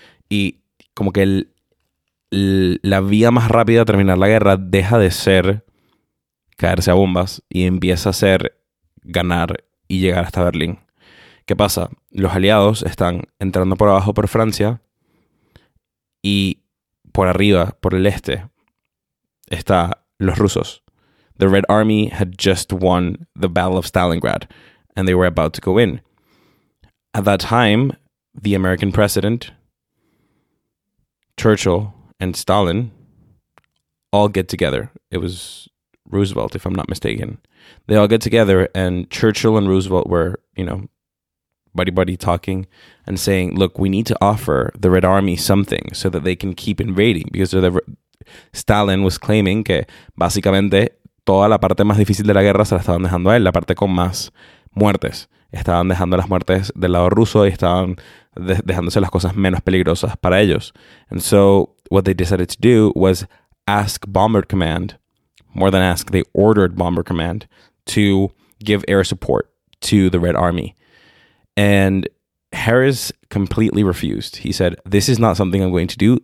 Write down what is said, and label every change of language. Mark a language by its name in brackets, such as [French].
[Spanish] Y como que la vía más rápida de terminar la guerra deja de ser caerse a bombas y empieza a ser ganar y llegar hasta Berlín. ¿Qué pasa? Los aliados están entrando por abajo por Francia y por arriba, por el este, están los rusos. [English] The Red Army had just won the Battle of Stalingrad and they were about to go in. At that time, the American president, Churchill, and Stalin all get together. It was Roosevelt, if I'm not mistaken. They all get together and Churchill and Roosevelt were, you know, buddy-buddy talking and saying, look, we need to offer the Red Army something so that they can keep invading. Because Stalin was claiming [Spanish] que básicamente toda la parte más difícil de la guerra se la estaban dejando a él, la parte con más muertes. Estaban dejando las muertes del lado ruso y estaban dejándose las cosas menos peligrosas para ellos. [English] And so what they decided to do was ask Bomber Command, more than ask, they ordered Bomber Command to give air support to the Red Army. And Harris completely refused. He said, this is not something I'm going to do.